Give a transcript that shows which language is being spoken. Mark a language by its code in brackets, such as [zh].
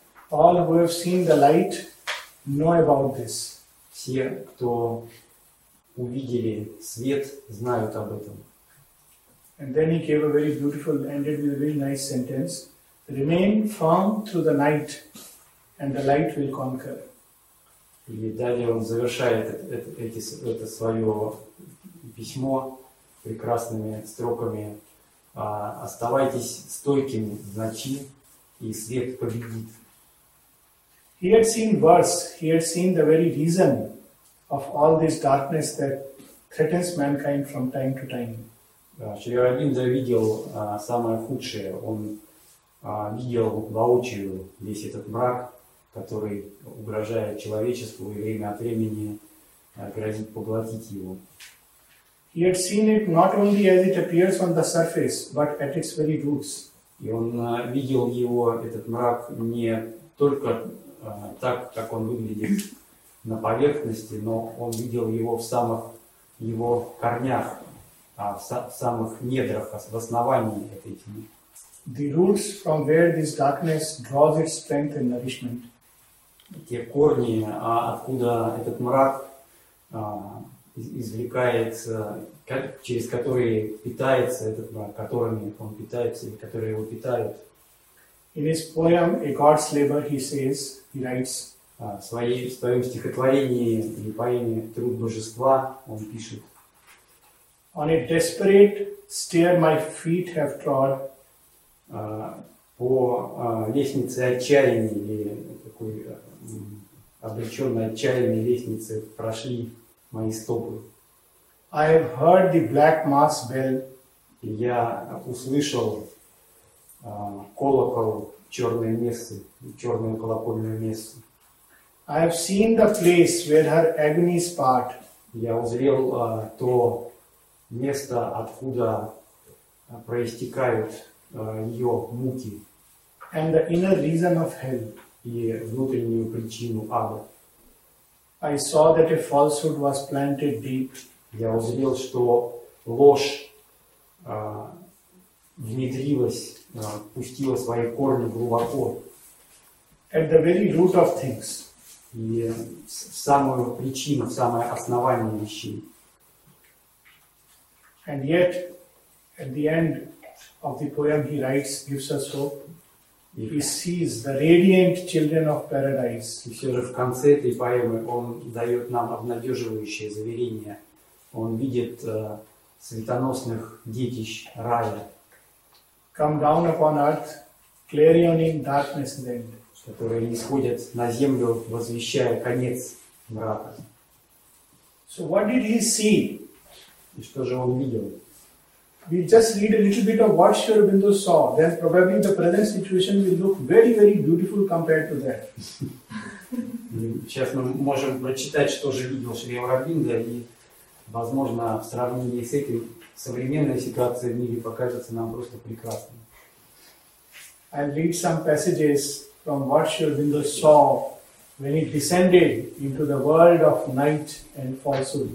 [en] All who have seen the light know about this. [ru] Все, кто увидели свет, знают об этом. [en] And then he gave a very beautiful, ended with a very nice sentence. Remain firm through the night, and the light will conquer. [ru] И далее он завершает это свое письмо прекрасными строками. Оставайтесь стойкими в ночи, и свет победит. [en] He had seen worse. He had seen the very reason of all this darkness that threatens mankind from time to time. [ru] Шри-Арбин видел самое худшее. Он видел воочию весь этот мрак, который угрожает человечеству и время от времени грозит поглотить его. [en] He had seen it not only as it appears on the surface, but at its very roots. [ru] И он видел его, этот мрак, не только так, как он выглядит на поверхности, но он видел его в самых его корнях, в самых недрах, в основании этой тьмы. [en] The roots from where this darkness draws its strength and nourishment. [ru] Те корни, откуда этот мрак извлекается, через которые питается этот мрак, которыми он питается и которые его питают. [en] In his poem A God's Labor, he says, he writes, [ru] в своем стихотворении или поэме «Труд божества» он пишет: [en] On a desperate stair my feet have trod. [ru] По лестнице отчаяния, или такой обреченной отчаянной лестнице, прошли мои стопы. [en] I have heard the black mass bell. [ru] Я услышал колокол черной мессы, черную колокольную мессу. [en] I have seen the place where her agonies part. [ru] Я узрел то место, откуда проистекают ее муки. [en] And the inner reason of hell. [ru] И внутреннюю причину ада. [en] I saw that a falsehood was planted deep. [ru] Я узрел, что ложь внедрилась, пустила свои корни глубоко. [en] At the very root of things. [ru] И в самую причину, в самое основание вещей. [en] And yet, at the end of the poem he writes, gives us hope. He sees the radiant children of paradise. [ru] И все же в конце этой поэмы он дает нам обнадеживающее заверение. Он видит светоносных детищ рая. [en] Come down upon earth, clarioning darkness then. [ru] Которые нисходят на землю, возвещая конец мрака. [en] So what did he see? [ru] И что же он видел? [en] We just read a little bit of what Sri Aurobindo saw, then probably the present situation will look very, very beautiful compared to that. [ru] Сейчас мы можем прочитать, что же видел Шри Аурабинда, и, возможно, в сравнении с этим современная ситуация в мире покажется нам просто прекрасной. [en] I'll read some passages from what Sri Aurobindo saw when he descended into the world of night and falsehood.